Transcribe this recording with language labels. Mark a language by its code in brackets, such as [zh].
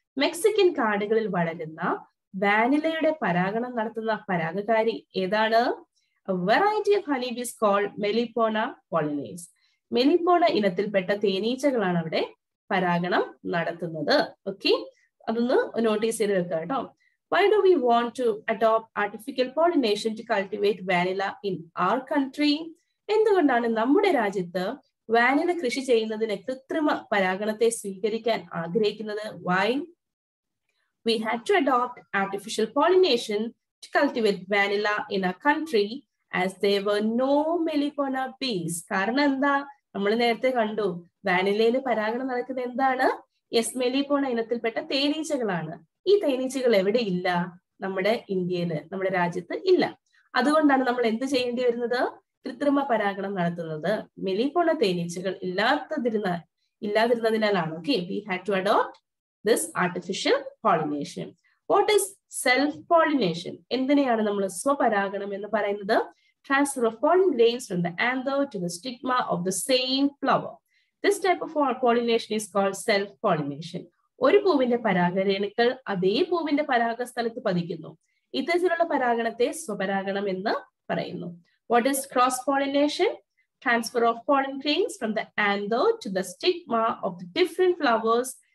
[ml] Mexican കാടുകളിൽ വളരുന്ന വാനിലയുടെ പരാഗണം നടത്തുന്ന പരാഗകാരി ഏതാണ്? [en] Variety of honey bees called Melipona pollinates. [ml] മെലിപ്പോണ ഇനത്തിൽപ്പെട്ട തേനീച്ചകളാണ് അവിടെ പരാഗണം നടത്തുന്നത്. ഓക്കെ, അതൊന്ന് നോട്ടീസ് ചെയ്ത് വെക്കുക കേട്ടോ. [en] Why do we want to adopt artificial pollination to cultivate vanilla in our country? [ml] എന്തുകൊണ്ടാണ് നമ്മുടെ രാജ്യത്ത് വാനില കൃഷി ചെയ്യുന്നതിന് കൃത്രിമ പരാഗണത്തെ സ്വീകരിക്കാൻ ആഗ്രഹിക്കുന്നത്? [en] Why? We had to adopt artificial pollination to cultivate vanilla in our country as there were no melipona bees. [ml] കാരണം എന്താ? നമ്മൾ നേരത്തെ കണ്ടു വാനിലയിൽ പരാഗണം നടക്കുന്നത് എന്താണ്? യെസ്, മെലിപ്പോണ ഇനത്തിൽപ്പെട്ട തേനീച്ചകളാണ്. ഈ തേനീച്ചകൾ എവിടെ ഇല്ല? നമ്മുടെ ഇന്ത്യയില്, നമ്മുടെ രാജ്യത്ത് ഇല്ല. അതുകൊണ്ടാണ് നമ്മൾ എന്ത് ചെയ്യേണ്ടി വരുന്നത്? കൃത്രിമ പരാഗണം നടത്തുന്നത്. മെലിപ്പോണ തേനീച്ചകൾ ഇല്ലാതിരുന്നതിനാലാണ്. [en] Okay, we had to adopt this artificial pollination. What is self pollination, [ml] എന്തിനെയാണ് നമ്മൾ സ്വപരാഗണം എന്ന് പറയുന്നത്? [en] Transfer of pollen grains from the anther to the stigma of the same flower. This type of pollination is called self-pollination. [ml] ഒരു പൂവിന്റെ പരാഗരേണുക്കൾ അതേ പൂവിന്റെ പരാഗസ്ഥലത്ത് പതിക്കുന്നു. ഇത്തരത്തിലുള്ള പരാഗണത്തെ സ്വപരാഗണം എന്ന് പറയുന്നു. [en] What is cross pollination? Transfer of pollen grains from the anther to the stigma of the different flowers.